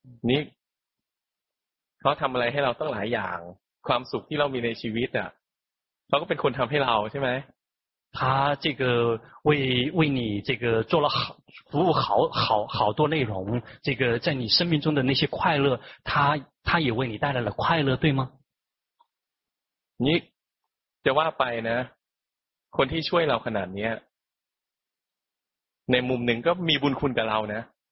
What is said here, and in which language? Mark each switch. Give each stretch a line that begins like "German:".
Thai: นี่เขาทำอะไรให้เราตั้งหลายอย่างความสุขที่เรามีในชีวิตอ่ะเขาก็เป็นคนทำให้เราใช่ไหม
Chinese: 他这个为你这个做了好服务好多内容这个在你生命中的那些快乐他也为你带来了快乐对吗你
Thai: จะว่าไปนะคนที่ช่วยเราขนาดนี้ในมุมหนึ่งก็มีบุญคุณกับเรานะ